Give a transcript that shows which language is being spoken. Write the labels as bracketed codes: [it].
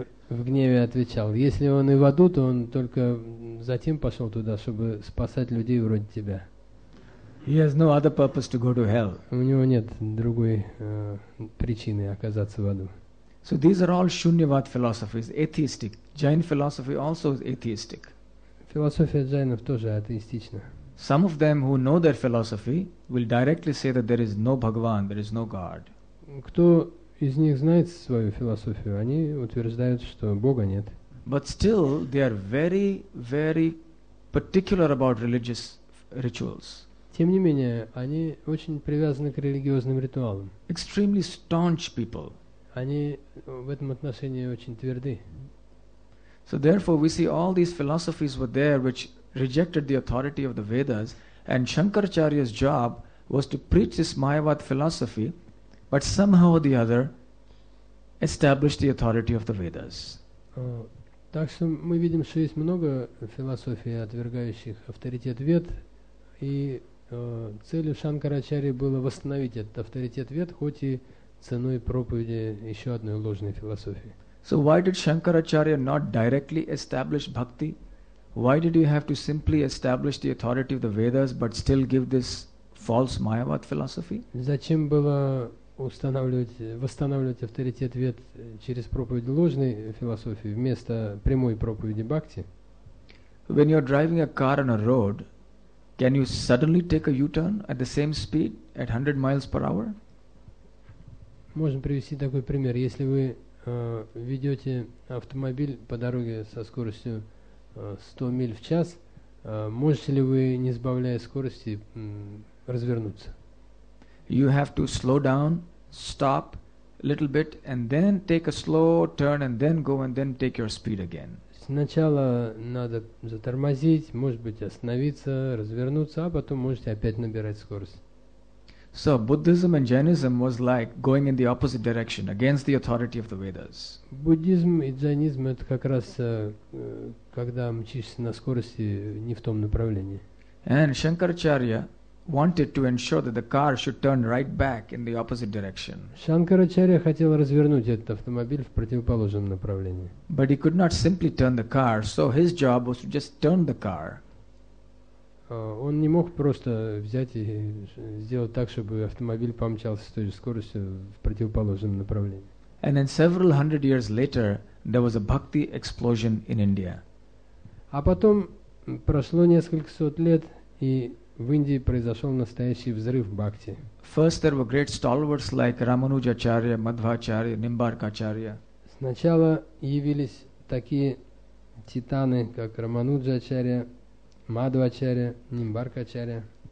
[ru] В гневе отвечал, если он и в аду, то он только затем пошел туда, чтобы спасать людей вроде тебя. [en] He has no other purpose to go to hell. [ru] У него нет другой причины оказаться в аду. [en] So these are all Shunyavad philosophies, atheistic. Jain philosophy also is atheistic. [ru] Философия джайнов тоже атеистична. [en] Some of them who know their philosophy will directly say that there is no Bhagavan, there is no God. [ru] Кто из них знает свою философию, они утверждают, что Бога нет. [en] But still, they are very, very particular about religious rituals. [ru] Тем не менее, они очень привязаны к религиозным ритуалам. [en] Extremely staunch people. [ru] Они в этом отношении очень тверды. [en] So therefore, we see all these philosophies were there which rejected the authority of the Vedas, and Shankaracharya's job was to preach this Mayavad philosophy, but somehow or the other establish the authority of the Vedas. [ru] Так что мы видим, что есть много философий, отвергающих авторитет Вед, и целью Шанкарачарьи было восстановить этот авторитет Вед, хоть и ценой проповеди еще одной ложной философии. [en] So why did Shankaracharya not directly establish bhakti? Why did you have to simply establish the authority of the Vedas but still give this false Mayavad philosophy? [ru] Зачем было восстанавливать авторитет Вед через проповедь ложной философии вместо прямой проповеди бхакти? [en] When you're driving a car on a road, can you suddenly take a U-turn at the same speed at 100 miles per hour? [ru] Можем привести такой пример. Если вы ведете автомобиль по дороге со скоростью 100 миль в час, можете ли вы, не сбавляя скорости, развернуться? [en] You have to slow down, stop a little bit, and then take a slow turn, and then go, and then take your speed again. [ru] Сначала надо затормозить, может быть, остановиться, развернуться, а потом можете опять набирать скорость. [en] So Buddhism and Jainism was like going in the opposite direction, against the authority of the Vedas. [ru] Буддизм и джайнизм — это как раз когда мчишься на скорости не в том направлении. [en] And Shankaracharya wanted to ensure that the car should turn right back in the opposite direction. [ru] Shankaracharya хотел развернуть этот автомобиль в противоположном направлении. [en] But he could not simply turn the car, so his job was to just turn the car. [ru] Он не мог просто взять и сделать так, чтобы автомобиль помчался с той же скоростью в противоположном направлении. [en] And then several hundred years later, there was a bhakti explosion in India. [ru] А потом прошло несколько сот лет, и в Индии произошел настоящий взрыв бхакти. [en] First there were great stalwarts like Рамануджачарья, Мадхвачарья, Нимбаркачарья. [ru] Сначала явились такие титаны, как Рамануджачарья, Мадхвачарья, Нимбаркачарья.